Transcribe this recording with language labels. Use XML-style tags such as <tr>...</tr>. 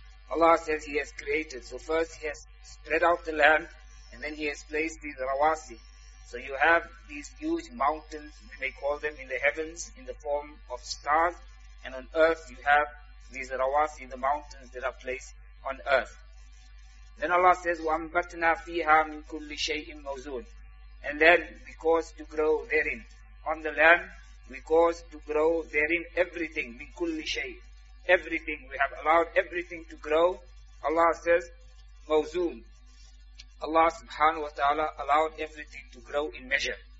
<en>Allah says He has created. So first He has spread out the land and then He has placed these rawasi. So you have these huge mountains, we may call them, in the heavens in the form of stars, and on earth you have these rawasi, the mountains that are placed on earth. Then Allah says,</en> <ar>وَأَنْبَتْنَا فِيهَا مِنْ كُلِّ شَيْءٍ مَوْزُونَ.</ar> <en>And then we cause to grow therein. On the land, we cause to grow therein everything,</en> <ar>مِنْ كُلِّ شَيْءٍ.</ar> <en>Everything, we have allowed everything to grow. Allah says, موزون. Allah subhanahu wa ta'ala allowed everything to grow in measure.</en>